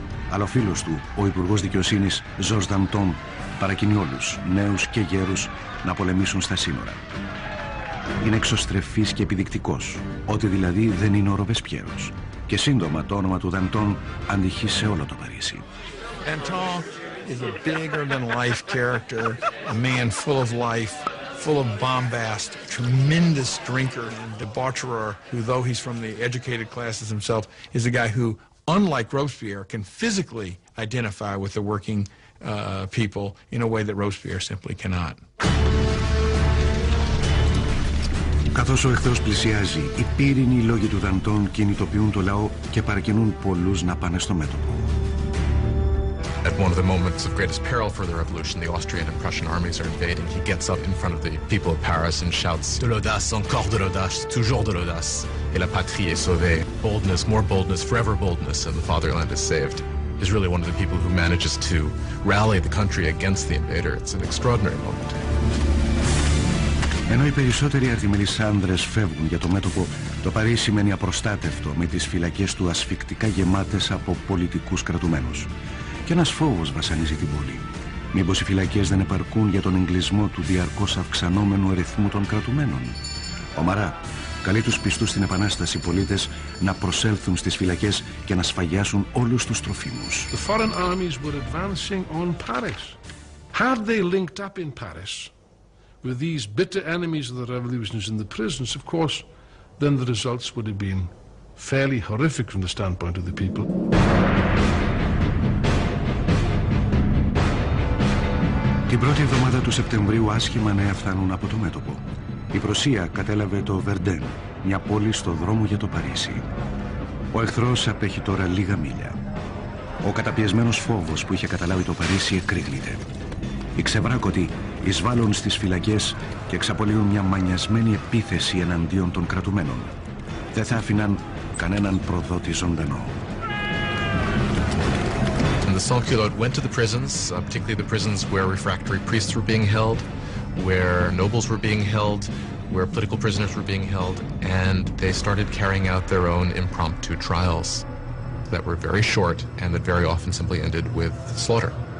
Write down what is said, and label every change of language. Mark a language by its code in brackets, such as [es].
[el] Αλλά ο φίλος του, ο Υπουργός Δικαιοσύνης, Ζορζ Δαντών, παρακινεί όλους, νέους και γέρους, να πολεμήσουν στα σύνορα. Είναι εξωστρεφής και επιδεικτικός, ό,τι δηλαδή δεν είναι ο Ρομπεσπιέρος. Και σύντομα το όνομα του Δαντών αντυχεί σε όλο το Παρίσι. [en] Δαντών is a bigger than life character, a man full of life, full of bombast, tremendous drinker and debaucherer, who though he's from the educated classes himself, is a guy who, unlike Robespierre, can physically identify with the working people in a way that Robespierre simply cannot. [el] Καθώς ο εχθρός πλησιάζει, οι πύρινοι λόγοι του Δαντών κινητοποιούν το λαό και παρακινούν πολλούς να πάνε στο μέτωπο. [en] At one of the moments of greatest peril for the revolution, the Austrian and Prussian armies are invading. He gets up in front of the people of Paris and shouts, [fr] De l'audace, encore de l'audace, toujours de l'audace, et la patrie est sauvée. [en] Boldness, more boldness, forever boldness, and the fatherland is saved. He's really one of the people who manages to rally the country against the invader. It's an extraordinary moment. [el] Ενώ οι περισσότεροι αρτιμελείς άνδρες φεύγουν για το μέτωπο, το Παρίσι μένει απροστάτευτο με τις φυλακές του ασφυκτικά γεμάτες από πολιτικούς κρατουμένους. Και ένας φόβος βασανίζει την πόλη. Μήπως οι φυλακές δεν επαρκούν για τον εγκλεισμό του διαρκώς αυξανόμενου αριθμού των κρατουμένων. Ο Μαρά καλεί τους πιστούς στην Επανάσταση πολίτες να προσέλθουν στις φυλακές και να σφαγιάσουν όλους τους τροφίμους. [en] The foreign armies were advancing on Paris. Had they linked up in Paris with these bitter enemies of the revolutionists in the prisons, of course, then the results would have been fairly horrific from the standpoint of the people. [el] Την πρώτη εβδομάδα του Σεπτεμβρίου άσχημα νέα φτάνουν από το μέτωπο. Η Προσία κατέλαβε το Βερντέν, μια πόλη στο δρόμο για το Παρίσι. Ο εχθρός απέχει τώρα λίγα μίλια. Ο καταπιεσμένος φόβος που είχε καταλάβει το Παρίσι εκρήγνεται. Οι ξεβράκωτοι εισβάλλουν στις φυλακές και εξαπολύουν μια μανιασμένη επίθεση εναντίον των κρατουμένων. Δεν θα άφηναν κανέναν προδότη ζωντανό. [en] And the sans-culottes went to the prisons, particularly the prisons where refractory priests were being held, where nobles were being held, where political prisoners were being held, and they started carrying out their own impromptu trials that were very short and that very often simply ended with slaughter.